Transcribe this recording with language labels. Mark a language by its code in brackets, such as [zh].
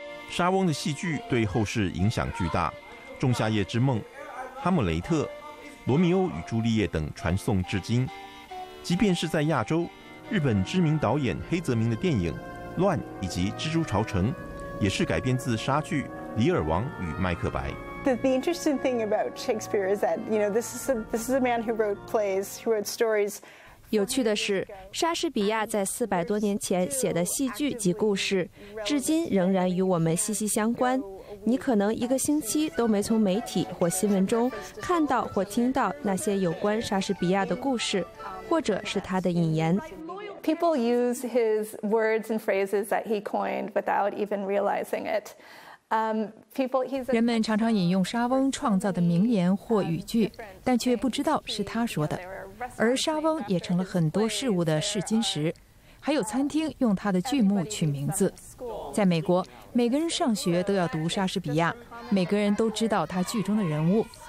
[zh] 莎翁的戏剧对后世影响巨大，《仲夏夜之梦》、《哈姆雷特》、《罗密欧与朱丽叶》等传颂至今。即便是在亚洲，日本知名导演黑泽明的电影《乱》以及《蜘蛛巢城》也是改编自莎剧《李尔王与麦克白》。 [en] The interesting thing about Shakespeare is that, you know, this is a man who wrote plays, who wrote stories. [zh] 有趣的是，莎士比亚在400多年前写的戏剧及故事，至今仍然与我们息息相关。你可能一个星期都没从媒体或新闻中看到或听到那些有关莎士比亚的故事，或者是他的引言。 [en] People use his words and phrases that he coined without even realizing it. [zh] 人们常常引用莎翁创造的名言或语句，但却不知道是他说的。而莎翁也成了很多事物的试金石，还有餐厅用他的剧目取名字。在美国，每个人上学都要读莎士比亚，每个人都知道他剧中的人物。